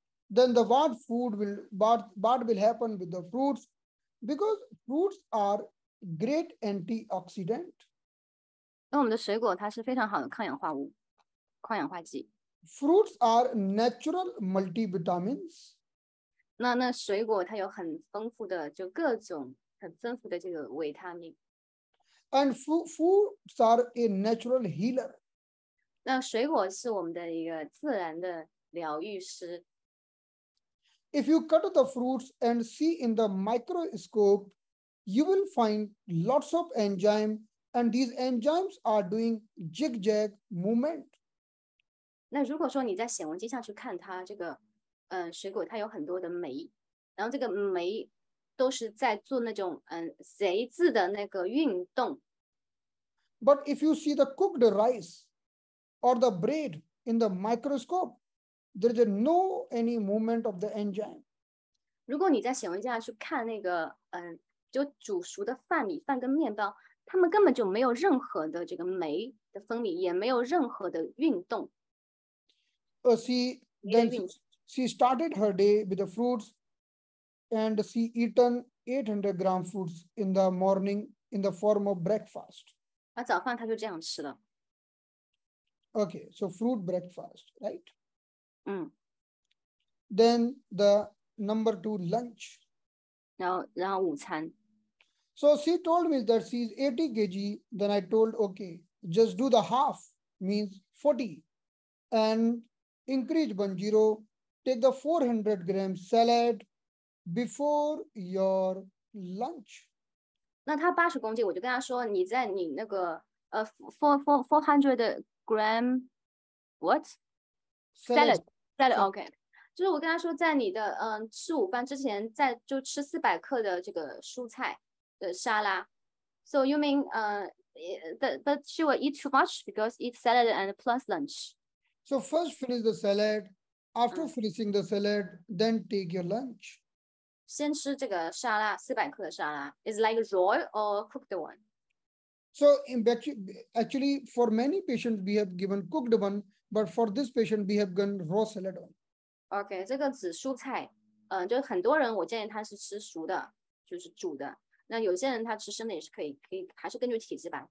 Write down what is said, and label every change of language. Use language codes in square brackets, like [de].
[en] Then the what will happen with the fruits? Because fruits are great antioxidant. [zh] 因为我们的水果它是非常好的抗氧化物，抗氧化剂。 [en] Fruits are natural multivitamins. [zh] 那水果它有很丰富的，就各种很丰富的这个维他命。 [en] And fruits are a natural healer. [zh] 那水果是我们的一个自然的疗愈师。 [en] If you cut the fruits and see in the microscope, you will find lots of enzymes, and these enzymes are doing zigzag movement. [zh] 那如果说你在显微镜下去看它这个，水果它有很多的酶，然后这个酶都是在做那种随字的那个运动。 [en] But if you see the cooked rice or the bread in the microscope, there is no any movement of the enzyme. [zh] 如果你在显微镜下去看那个就煮熟的饭，米饭跟面包，它们根本就没有任何的这个酶的分泌，也没有任何的运动。 [en] She started her day with the fruits, and she eaten 800 gram fruits in the morning in the form of breakfast. [zh] 那早饭她就这样吃了。 [en] Okay, so fruit breakfast, right? [zh] 嗯。 [en] Then the number two, lunch. [zh] 然后午餐。 [en] So she told me that she is 80 kg. Then I told, okay, just do the half, means 40, and increase 10. Take the 400 gram salad before your lunch. [zh] 那他八十公斤，我就跟他说，你在你那个400 [en] gram what salad [zh] OK， 就是我跟他说，在你的吃午饭之前，在就吃400克的这个蔬菜的沙拉。 [en] So you mean but she will eat too much because eat salad and plus lunch. So first finish the salad. After finishing the salad, then take your lunch. [zh] 先吃这个沙拉，400克的沙拉。 [en] Is it like raw or cooked one? So actually, for many patients, we have given cooked one, but for this patient, we have given raw salad one. [zh] Okay, 这个紫蔬菜，就很多人我建议他是吃熟的，就是煮的。那有些人他吃生的也是可以，还是根据体质吧。